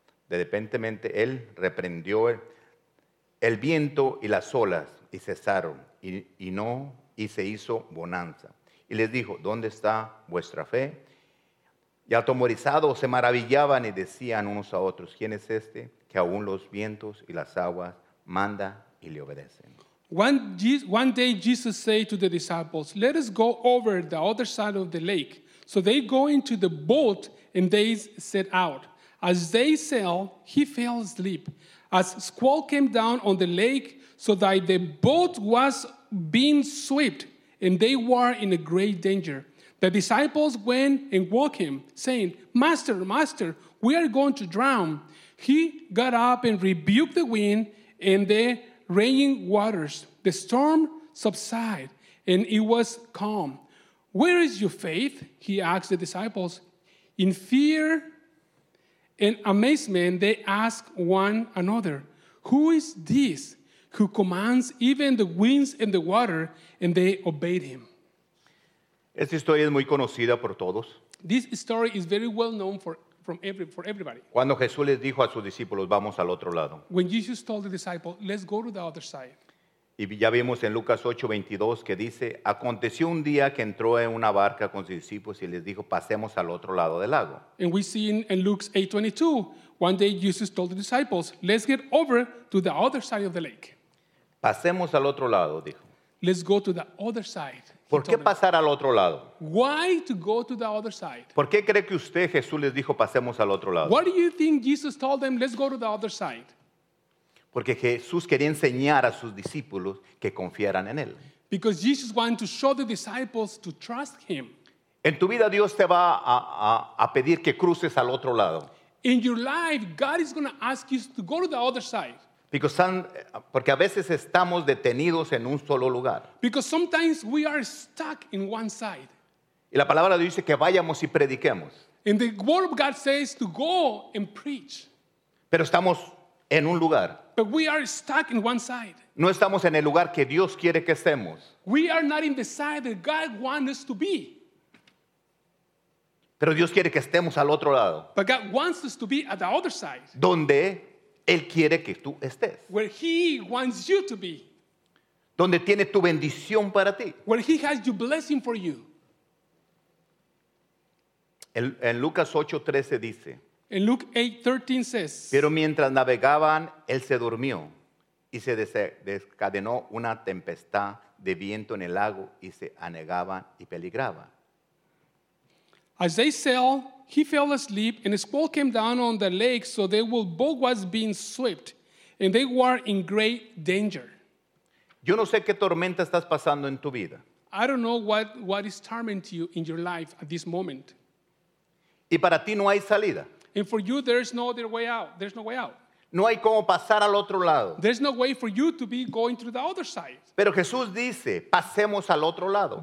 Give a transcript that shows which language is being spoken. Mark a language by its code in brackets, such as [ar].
[es] De repente él reprendió el viento y las olas y cesaron y se hizo bonanza. Y les dijo, ¿dónde está vuestra fe? Y atemorizados se maravillaban y decían unos a otros, ¿quién es este que aún los vientos y las aguas manda y le obedecen? [en] One day Jesus said to the disciples, let us go over the other side of the lake. So they go into the boat and they set out. As they sailed, he fell asleep. As squall came down on the lake, so that the boat was being swept, and they were in a great danger. The disciples went and woke him, saying, Master, Master, we are going to drown. He got up and rebuked the wind and the raging waters. The storm subsided, and it was calm. Where is your faith? He asked the disciples. In fear and amazement, they asked one another, who is this who commands even the winds and the water? And they obeyed him. [es] Esta historia es muy conocida por todos. [en] This story is very well known for everybody. [es] Cuando Jesús les dijo a sus discípulos, vamos al otro lado. [en] When Jesus told the disciples, let's go to the other side. [es] Y ya vimos en Lucas 8:22 que dice, aconteció un día que entró en una barca con sus discípulos y les dijo, pasemos al otro lado del lago. [en] And we see in Luke 8:22, one day Jesus told the disciples, let's get over to the other side of the lake. [es] Pasemos al otro lado, dijo. [en] Let's go to the other side. [es] ¿Por qué pasar al otro lado? [en] Why to go to the other side? [es] ¿Por qué cree que usted, Jesús, les dijo, pasemos al otro lado? [en] What do you think Jesus told them, let's go to the other side? [es] Porque Jesús quería enseñar a sus discípulos que confiaran en él. [en] Because Jesus wanted to show the disciples to trust him. [es] En tu vida Dios te va a pedir que cruces al otro lado. [en] In your life God is going to ask you to go to the other side. [es] Porque a veces estamos detenidos en un solo lugar. [en] Because sometimes we are stuck in one side. [es] Y la palabra dice que vayamos y prediquemos. [en] And the word of God says to go and preach. [es] Pero estamos en un lugar. [en] But we are stuck in one side. [es] No estamos en el lugar que Dios quiere que estemos. [en] We are not in the side that God wants us to be. [es] Pero Dios quiere que estemos al otro lado. [en] But God wants us to be at the other side. [es] Donde Él quiere que tú estés. [en] Where He wants you to be. [es] Donde tiene tu bendición para ti. [en] Where He has your blessing for you. [es] En Lucas 8:13 dice. [en] In Luke 8:13 says. [es] Pero mientras navegaban, Él se durmió. Y se desencadenó una tempestad de viento en el lago y se anegaban y peligraba. [en] As they sailed, he fell asleep, and a squall came down on the lake, so their boat was being swept, and they were in great danger. [es] Yo no sé qué tormenta estás pasando en tu vida. [en] I don't know what is tormenting you in your life at this moment. [es] Y para ti no hay salida. [en] And for you, there's no other way out. There's no way out. [es] No hay cómo pasar al otro lado. [en] There's no way for you to be going through the other side. [es] Pero Jesús dice, pasemos al otro lado.